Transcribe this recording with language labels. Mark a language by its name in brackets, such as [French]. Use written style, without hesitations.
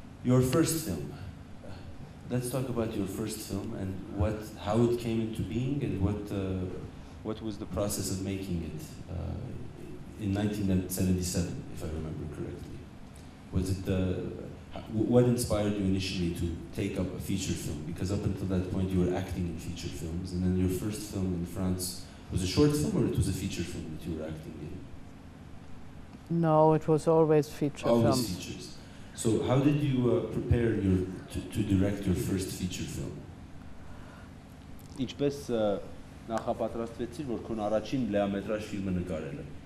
[English] Your first film Let's talk about your first film and what, how it came into being and what was the process of making it in 1977, if I remember correctly. Was it what inspired you initially to take up a feature film? Because up until that point, you were acting in feature films, and then your first film in France was a short film, or it was a feature film that you were acting in? No, it was always feature films. Always features. So how did you prepare your to direct your first feature film? [Armenian] Ինչպես նախապատրաստվեցիր, որ քոն առաջին լեամետրաժ ֆիլմը նկարելը?